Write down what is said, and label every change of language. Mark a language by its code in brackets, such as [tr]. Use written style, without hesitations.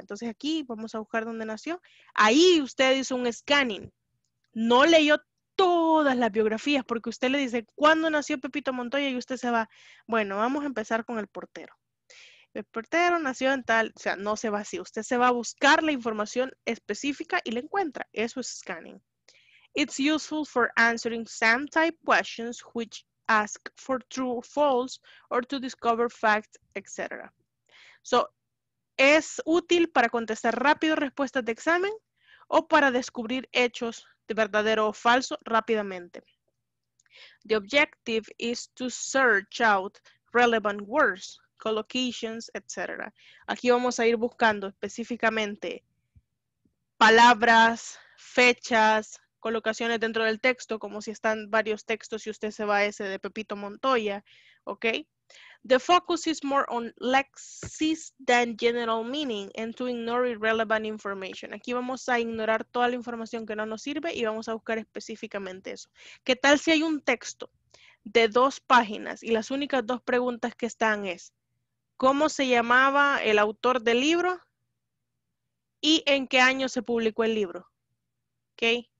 [es] Entonces aquí vamos a buscar dónde nació. Ahí usted hizo un scanning. No leyó todas las biografías porque usted le dice, ¿cuándo nació Pepito Montoya? Y usted se va, bueno, vamos a empezar con el portero. El portero nació en tal, o sea, no se va así. Usted se va a buscar la información específica y la encuentra. Eso es scanning. [en] It's useful for answering some type questions which ask for true or false or to discover facts, etc. [es] So, es útil para contestar rápido respuestas de examen o para descubrir hechos de verdadero o falso rápidamente. [en] The objective is to search out relevant words, collocations, etc. [es] Aquí vamos a ir buscando específicamente palabras, fechas, colocaciones dentro del texto, como si están varios textos y usted se va a ese de Pepito Montoya, ¿ok? [en] The focus is more on lexis than general meaning and to ignore irrelevant information. [es] Aquí vamos a ignorar toda la información que no nos sirve y vamos a buscar específicamente eso. ¿Qué tal si hay un texto de dos páginas y las únicas dos preguntas que están es ¿cómo se llamaba el autor del libro? ¿Y en qué año se publicó el libro? ¿Ok?